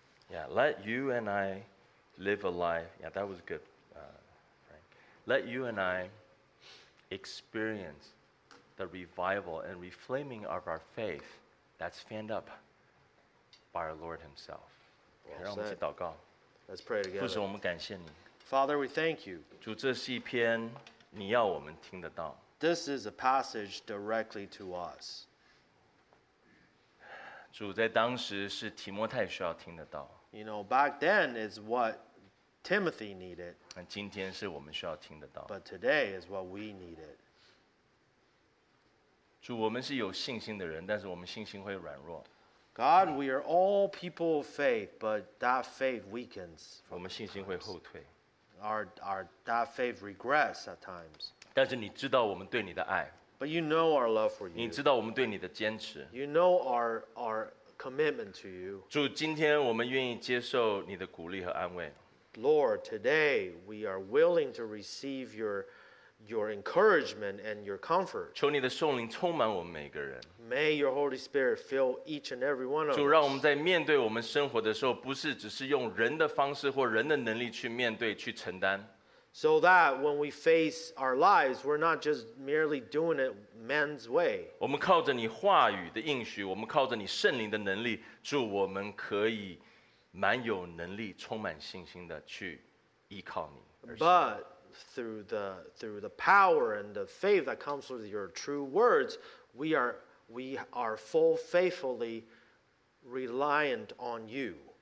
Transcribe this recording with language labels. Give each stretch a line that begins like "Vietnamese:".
English: Yeah, let you and I live a life. Yeah, that was good, Frank. Let you and I experience the revival and reflaming of our faith that's fanned up by our Lord himself. Well,
Chinese: 让我们一起祷告。
English: Let's pray together.
Chinese: 父神，我们感谢你。
English: Father, we thank you.
Chinese: 主，这是一篇你要我们听得到。
English: This is a passage directly to us.
Chinese: 主，在当时是提摩太需要听得到。
English: You know, back then is what Timothy needed.
Chinese: 今天是我们需要听得到。
English: But today is what we needed.
Chinese: 主，我们是有信心的人，但是我们信心会软弱。
English: God, we are all people of faith, but that faith weakens.
Chinese: 我们信心会后退。
English: Our that faith regress at times.
Chinese: 但是你知道我们对你的爱。
English: But you know our love for you.
Chinese: 你知道我们对你的坚持。
English: You know our commitment to you.
Chinese: 主，今天我们愿意接受你的鼓励和安慰。
English: Lord, today we are willing to receive your encouragement and your comfort.
Chinese: 求你的圣灵充满我们每个人。
English: May your Holy Spirit fill each and every one of us.
Chinese: 主，让我们在面对我们生活的时候，不是只是用人的方式或人的能力去面对、去承担。
English: So that when we face our lives, we're not just merely doing it man's way.
Chinese: 我们靠着你话语的应许，我们靠着你圣灵的能力，主，我们可以蛮有能力、充满信心的去依靠你。
English: But through the power and the faith that comes with your true words, we are full faithfully reliant on you.